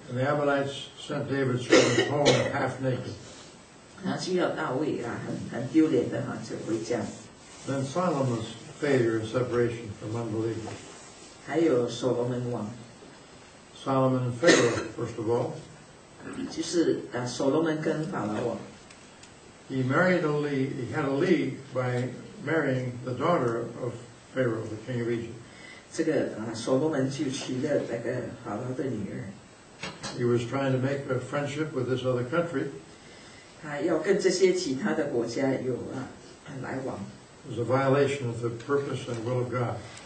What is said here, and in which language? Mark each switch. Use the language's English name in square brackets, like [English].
[English] And the Ammonites sent David servants home half naked. [Chinese] 他就要大卫很丢脸的就回家。 [English] Then Solomon's failure and separation from unbelievers. [Chinese] 还有所罗门王。 [English] Solomon and Pharaoh, first of all. [Chinese] 就是所罗门跟法老王。 [English] He married a league, he had a league by marrying the daughter of Pharaoh, the king of Egypt. [Chinese] 这个所罗门就娶了那个法老的女儿。 [English] He was trying to make a friendship with this other country. [Chinese] 他要跟这些其他的国家有来往。 [English] It was a violation of the purpose and will of God.